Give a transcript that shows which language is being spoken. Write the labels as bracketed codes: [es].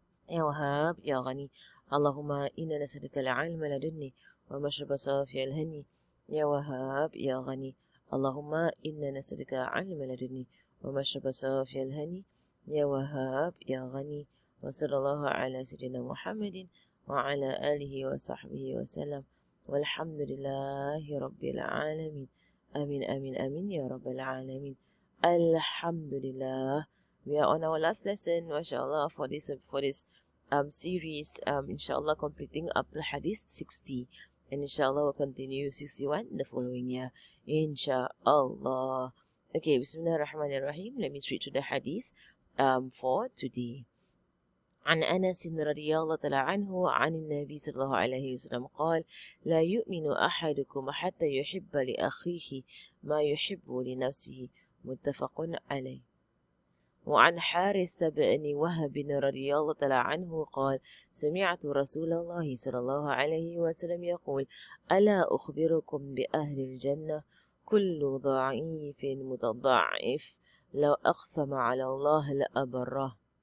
[ar] يا وهاب يا غني اللهم إنا نسألك العلم لدني ومشرب صافي الهني يا وهاب يا غني اللهم إنا نسألك علم لدني ومشرب صافي الهني يا وهاب يا غني وصلى الله على سيدنا محمد وعلى آله وصحبه وسلم والحمد لله رب العالمين امين امين امين يا رب العالمين الحمد لله. [en] We are on our last lesson, mashallah, for this series, inshallah completing up to hadith 60, and inshallah we'll continue 61 the following year inshallah. Okay, bismillah ar-rahman ar-rahim. Let me switch to the hadith for today. [ar] عن أنس رضي الله تعالى عنه عن النبي صلى الله عليه وسلم قال لا يؤمن أحدكم حتى يحب لأخيه ما يحب لنفسه. متفق عليه. وعن حارث بن وهب رضي الله تعالى عنه قال سمعت رسول الله صلى الله عليه وسلم يقول ألا أخبركم بأهل الجنة كل ضعيف متضعف لو أقسم على الله لأبره.